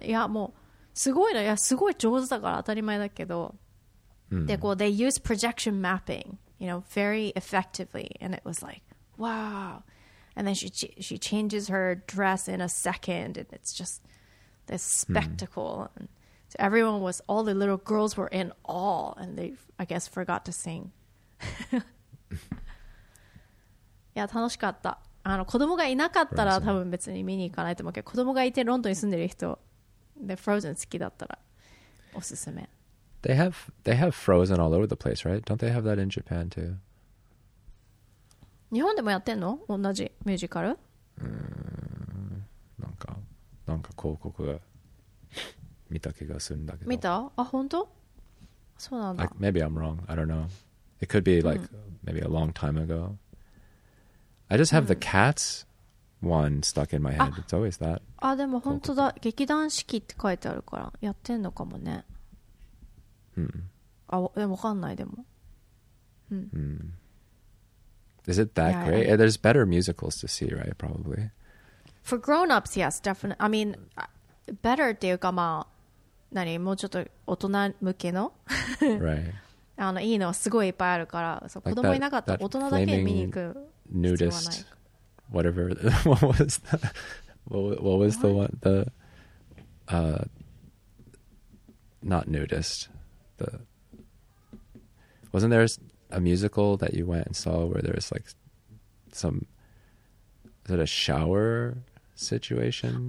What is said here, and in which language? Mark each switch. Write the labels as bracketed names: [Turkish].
[Japanese] いや、もうすごいの、いや、すごい上手だから当たり前だけど、 [English] well, they use projection mapping, you know, very effectively, and it was like, wow. And then she changes her dress in a second, and it's just this spectacle. Mm. And so everyone was, all the little girls were in awe, and they, I guess, forgot to sing. [Japanese] Yeah, 楽しかった。あの、子供がいなかったら多分別に見に行かないと思うけど、子供がいてロンドンに住んでる人で Frozen 好きだったらおすすめ。 [English] They have Frozen all over the place, right? Don't they have that in Japan too? [Japanese] 日本でもやってんの？同じミュージカル？なんか広告が見た気がするんだけど。見た？あ、本当？そうなんだ。 [English] Maybe I'm wrong. I don't know. It could be like、うん、maybe a long time ago. I just have、うん、the cats one stuck in my head. It's always that. [Japanese] あ、でも本当だ。劇団四季って書いてあるからやってんのかもね。うん。あ、でもわかんないでも。うん。 [English] うん、Is it that yeah, great? Yeah. There's better musicals to see, right? Probably. For grown-ups, yes, definitely. I mean, better [Japanese] っていうかまあ、何もうちょっと大人向けの。 [English] right. [Japanese] あのいいのはすごいいっぱいあるから、そう、子供いなかったら大人だけで見に行く。 [English] Nudist, whatever. Wasn't there a musical that you went and saw where there was like some, is it a shower situation?